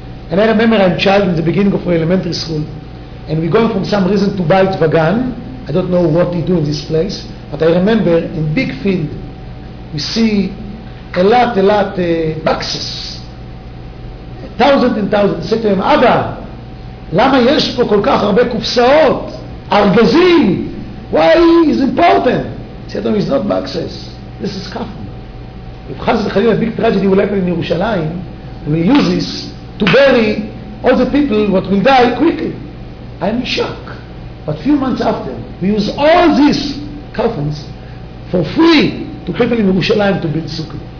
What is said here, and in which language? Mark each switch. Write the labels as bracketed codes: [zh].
[en] And I remember I'm a child in the beginning of elementary school, and we going from some reason to buy Tvagan. I don't know what he do in this place, but I remember in big field, we see a lot boxes. Thousands and thousands. I said to him, [he] Abba, למה יש פה כל כך הרבה קופסאות, ארגזים? [en] Why is important? He said to him, it's not boxes. This is kafan. If חס וחלילה, a big tragedy will happen in Yerushalayim, we'll use this to bury all the people what will die quickly. I'm shocked. But few months after, we use all these kafans for free to people in Yerushalayim to build sukkah.